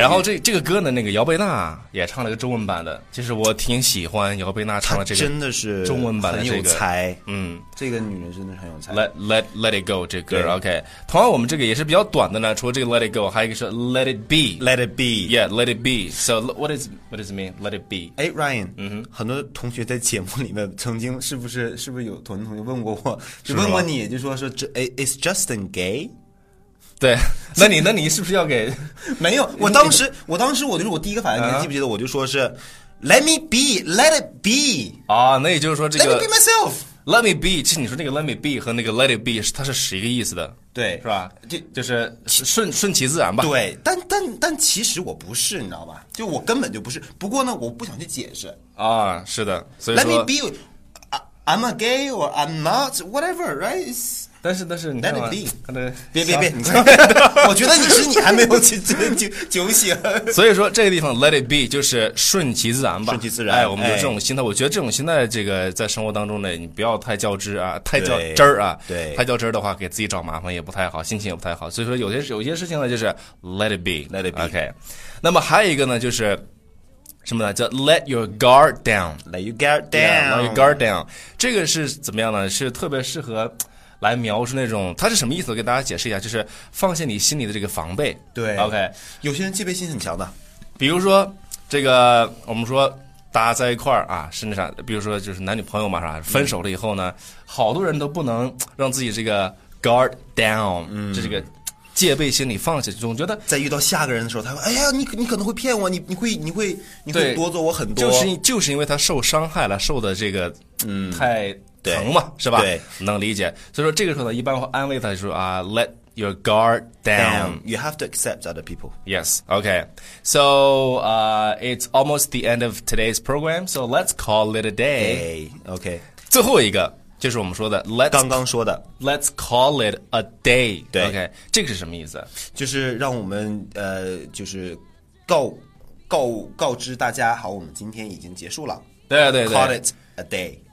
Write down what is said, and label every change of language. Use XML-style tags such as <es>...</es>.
<zh>然后这个歌呢，那个姚贝娜也唱了一个中文版的，就是我挺喜欢姚贝娜唱的这个，真的是中文版的这个，很有才。这个女人真的是很有才。</zh> <en>Let it go</en> <zh>这歌</zh> <en>，OK。</en> <zh>同样，我们这个也是比较短的呢，除了这个</zh> <en>let it go，</en> <zh>还有一个是</zh> <en>let it be，</en> <zh>let</zh> <en>it be，yeah，let it be。 So what does it mean? Let it be。</en> <zh>哎 ，Ryan， 很多同学在节目里面曾经是不是有同学问过我，就问过你，就说这</zh> <en>is Justin gay？</en> <zh>对，那你是不是要给？没有，我当时我就是我第一个反应，你记不记得？我就说是</zh> <en>let me be，let it be。</en> <zh>啊，那也就是说这个</zh> <en>let me be myself。</en> <zh>Let me be， 其实你说那个</zh> <en>let me be</en> <zh>和那个</zh> <en>let it be，</en> <zh>它是十一个意思的，对，是吧？就是顺其自然吧。对，但其实我不是，你知道吧？就我根本就不是。不过呢，我不想去解释啊。是的，所以说</zh> <en>let me be， I'm a gay or I'm not， whatever， right？</en> <zh>但是你</zh> <en>let it be，</en> <zh>可能别，你看，我觉得你还没有酒醒。所以说这个地方</zh> <en>let it be</en> <zh>就是顺其自然吧，顺其自然。哎，我们就这种心态，哎，我觉得这种心态，这个在生活当中呢，你不要太较真啊，太较真儿啊，对，太较真儿的话，给自己找麻烦也不太好，心情也不太好。所以说有些事情呢，就是</zh> <en>let it be。</en> <zh>OK， 那么还有一个呢，就是。什么呢？叫</zh> <en>let your guard down， let your guard down， yeah, let your guard down，</en> <zh>这个是怎么样呢？是特别适合来描述那种，它是什么意思？我给大家解释一下，就是放下你心里的这个防备。对，OK，有些人戒备心很强的，比如说这个，我们说大家在一块儿啊，甚至啥，比如说就是男女朋友嘛，啥分手了以后呢，好多人都不能让自己这个 guard down， 就这个戒备心理放下，总觉得在遇到下个人的时候，他说：“哎呀，你可能会骗我，你会夺走我很多。” 就是因为他受伤害了，受的这个太疼嘛，是吧？对，能理解。所以说这个时候呢，一般会安慰他说：“啊 ，</zh> <en>let your guard down. You have to accept other people. Yes. Okay. So, it's almost the end of today's program. So let's call it a day. Okay.</en> <zh>最后一个。” 就是我们说的</zh> <en>let's,</en> <zh>刚刚说的</zh> <en>let's call it a day，</en> <zh>对 okay, 这个是什么意思，就是让我们就是告知大家，好，我们今天已经结束了，对对对，</zh> <en>call it a day，</en>